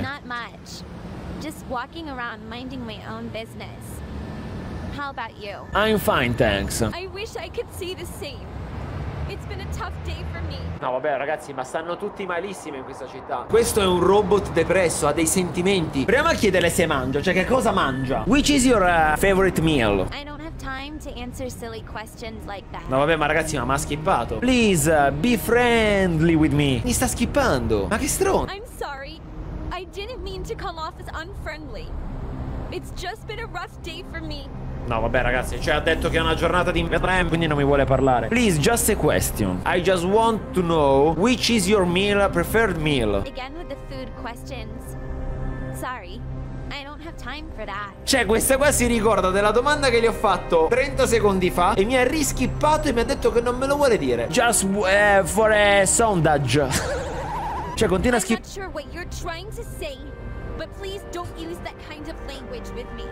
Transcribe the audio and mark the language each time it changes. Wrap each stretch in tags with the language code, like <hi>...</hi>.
<en>Not much. Just walking around minding my own business. How about you? I'm fine, thanks. I wish I could see the same. It's been a tough day for me.</en> <it>No, vabbè, ragazzi, ma stanno tutti malissimo in questa città. Questo è un robot depresso, ha dei sentimenti. Proviamo a chiedere se mangia, cioè che cosa mangia.</it> <en>Which is your favorite meal? I don't have time to answer silly questions like that.</en> <it>No, vabbè, ma ragazzi, ma ha skippato.</it> <en>Please, be friendly with me.</en> <it>Mi sta skippando. Ma che stronzo.</it> <en>I'm sorry. I didn't mean to come off as unfriendly. It's just been a rough day for me.</en> <it>No, vabbè, ragazzi, cioè ha detto che è una giornata di inverno, quindi non mi vuole parlare.</it> <en>Please, just a question. I just want to know which is your meal, preferred meal. Again with the food questions. Sorry, I don't have time for that.</en> <it>Cioè, questa qua si ricorda della domanda che gli ho fatto 30 secondi fa e mi ha riskippato e mi ha detto che non me lo vuole dire.</it> <en>Just for a sondage.</en> <it>Cioè, continua a skippare.</it> <en>I'm not sure what you're trying to say. But please don't use that kind of language with me.</en>